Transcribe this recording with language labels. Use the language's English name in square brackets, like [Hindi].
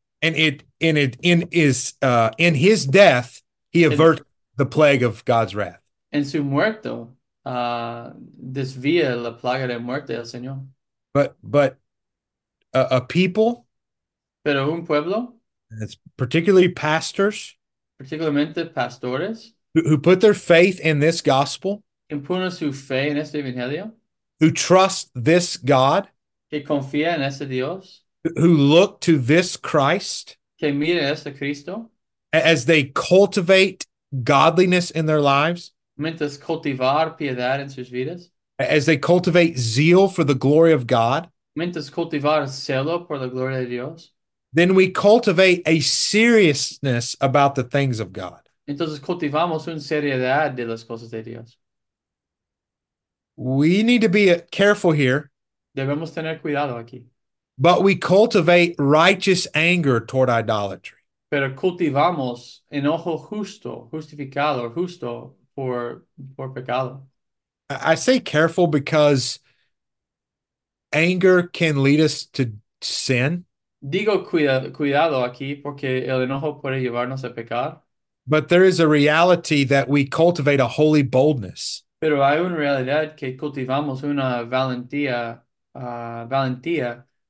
[English] And in his death, he averts the plague of God's wrath. [Spanish] En su muerto, desvía la plaga de muerte del Señor. [English] But a people, [Spanish] pero un pueblo, [English] it's particularly pastors, [Spanish] particularmente pastores, [English] who put their faith in this gospel, [Spanish] que ponen su fe en este evangelio, [English] who trust this God, [Spanish] que confía en este Dios. [English] Who look to this Christ [Spanish] que mira este Cristo, [English] as they cultivate godliness in their lives, [Spanish] mientras cultivar piedad en sus vidas, [English] as they cultivate zeal for the glory of God, [Spanish] mientras cultivar celo por la gloria de Dios, [English] then we cultivate a seriousness about the things of God. [Spanish] Entonces cultivamos una seriedad de las cosas de Dios. [English] We need to be careful here. [Spanish] Debemos tener cuidado aquí. [English] But we cultivate righteous anger toward idolatry. [Spanish] Pero cultivamos enojo justo, justificado, justo por pecado. [English] I say careful because anger can lead us to sin. [Spanish] Digo cuidado aquí porque el enojo puede llevarnos a pecar. [English] But there is a reality that we cultivate a holy boldness. [Spanish] Pero hay una realidad que cultivamos una valentía, valentía.